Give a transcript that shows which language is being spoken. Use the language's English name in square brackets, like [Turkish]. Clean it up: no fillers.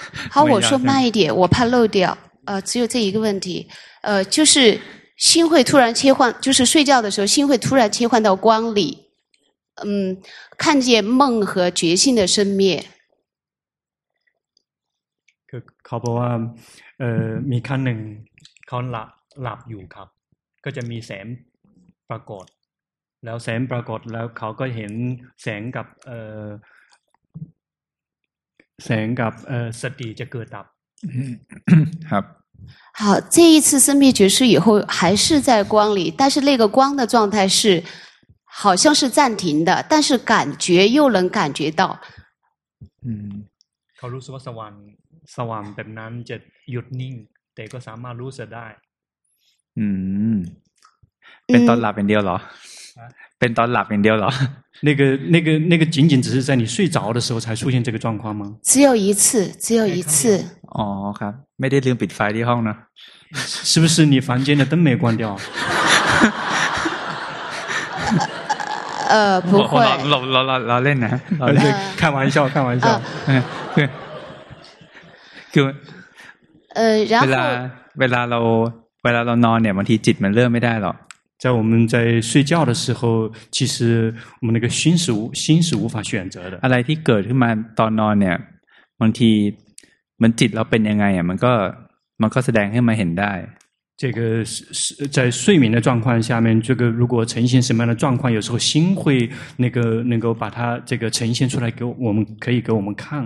[Chinese] 好我说慢一点我怕漏掉只有这一个问题就是心会突然切换就是睡觉的时候心会突然切换到光里嗯，看见梦和觉性的生灭 [Thai] คือเขาบอกว่ามีครั้งหนึ่งเขาหลับอยู่ครับก็จะมีแสงปรากฏแล้วแสงปรากฏแล้วเขาก็เห็นแสงกับแสงกับสติจะเกิดดับ ครับ [Chinese] 好这一次生灭觉知以后还是在光里但是那个光的状态是好像是暂停的但是感觉又能感觉到 [Thai] เขารู้สึกว่าสว่างแบบนั้นจะหยุดนิ่งแต่ก็สามารถรู้สึกได้ 嗯，เป็นตอนหลับอย่างเดียวเหรอ？เป็นตอนหลับอย่างเดียวเหรอ？ [Chinese] 那个仅仅只是在你睡着的时候才出现这个状况吗？只有一次。 [Thai] 哦，ครับ，ไม่ได้ลืมปิดไฟที่ห้องนะ。 [Chinese] 是不是你房间的灯没关掉？不会。老练呢？老练。开玩笑。然后。 [Thai] เวลาเรานอนเนี่ยบางทีจิตมันเริ่มไม่ได้หรอก [Chinese] 在我们在睡觉的时候其实我们那个心是无法选择的 [Thai] อะไรที่เกิดขึ้นมาตอนนอนเนี่ยบางทีมันจิตเราเป็นยังไงอ่ะมันก็แสดงให้มันเห็นได้ [Chinese] 这个在睡眠的状况下面这个如果呈现什么样的状况有时候心会那个能够把它这个呈现出来给我们可以给我们看